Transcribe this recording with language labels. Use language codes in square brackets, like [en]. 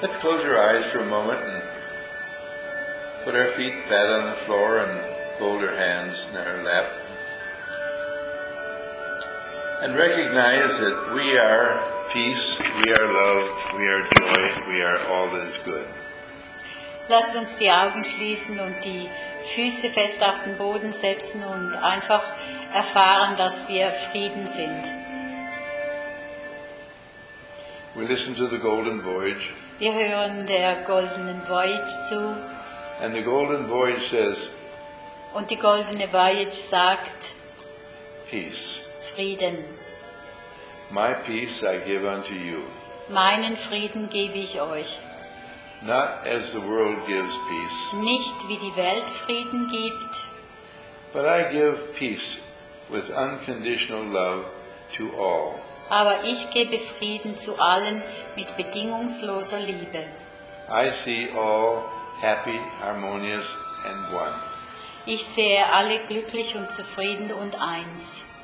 [en] Let's close your eyes for a moment and put our feet flat on the floor and fold our hands in our lap. And recognize that we are peace, we are love, we are joy, we are all that is good. [de] Lass uns die Augen schließen und die Füße fest auf den Boden setzen und einfach erfahren, dass wir Frieden sind. [en] We listen to the Golden Voyage. [de] Wir hören der goldenen Voyage zu. [en] And the Golden Voyage says, [de] und die goldene Voyage sagt, [en] Peace. [de] Frieden. [en] My peace I give unto you. [de] Meinen Frieden gebe ich euch. [en] Not as the world gives peace. [de] Nicht wie die Welt Frieden gibt. [en] But I give peace with unconditional love to all. [de] Aber ich gebe Frieden zu allen mit bedingungsloser Liebe. [en] I see all happy, harmonious and one. [de] Ich sehe alle glücklich und zufrieden und eins.